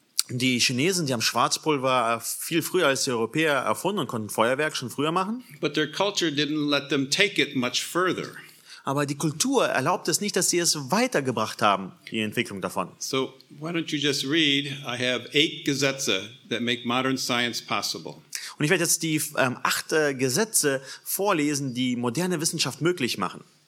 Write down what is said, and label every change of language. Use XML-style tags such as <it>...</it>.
<de>Die Chinesen, die haben Schwarzpulver viel früher als die Europäer erfunden und konnten Feuerwerk schon früher machen.</de> <en>But their culture didn't let them take it much further.</en> <de>Aber die Kultur erlaubt es nicht, dass sie es weitergebracht haben, die Entwicklung davon.</de> <en>So, why don't you just read? I have 8 Gesetze that make modern science possible.</en> <de>Und ich werde jetzt die 8 Gesetze vorlesen, die moderne Wissenschaft möglich machen.</de>